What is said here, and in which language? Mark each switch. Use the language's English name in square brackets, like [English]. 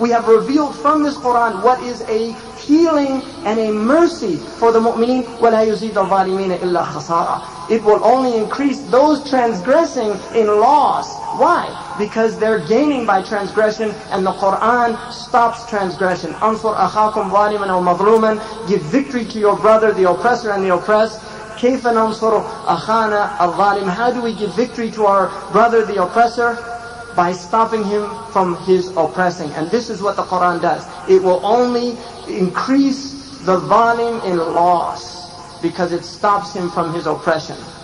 [English] We have revealed from this Qur'an what is a healing and a mercy for the mu'mineen. [Arabic] وَلَا يُزِيدَ الظَّالِمِينَ إِلَّا خَسَارًا. [English] It will only increase those transgressing in loss. Why? Because they're gaining by transgression, and the Qur'an stops transgression. [Arabic] أَنْصُرْ أَخَاكُمْ ظَالِمًا أَوْ مَظْلُومًا. [English] Give victory to your brother, the oppressor and the oppressed. [Arabic] كَيْفَ نَنْصُرُ أَخَانَا الظَّالِمِ. [English] How do we give victory to our brother, the oppressor? By stopping him from his oppressing. And this is what the Qur'an does. It will only increase the ظالِم in loss, because it stops him from his oppression.